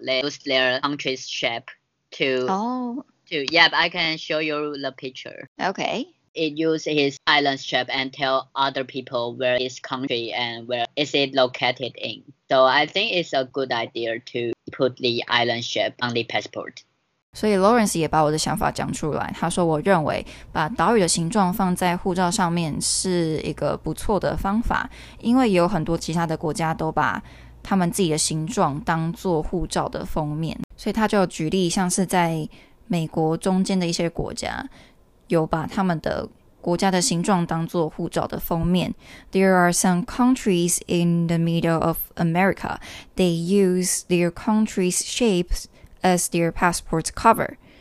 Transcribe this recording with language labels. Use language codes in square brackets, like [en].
[en] They use their country's shape to,、 oh. to yep, I can show you the picture. Okay. It uses his island shape and tell other people where his country and where is it located in. So I think it's a good idea to put the island shape on the passport. [zh] 所以 Lawrence 也把我的想法讲出来，他说我认为把岛屿的形状放在护照上面是一个不错的方法，因为有很多其他的国家都把他们自己的形状当做护照的封面。所以他就举例像是在美国中间的一些国家有把他们的国家的形状当作护照的封面。 [en] There are some countries in the middle of America. They use their country's shapes as their passport cover.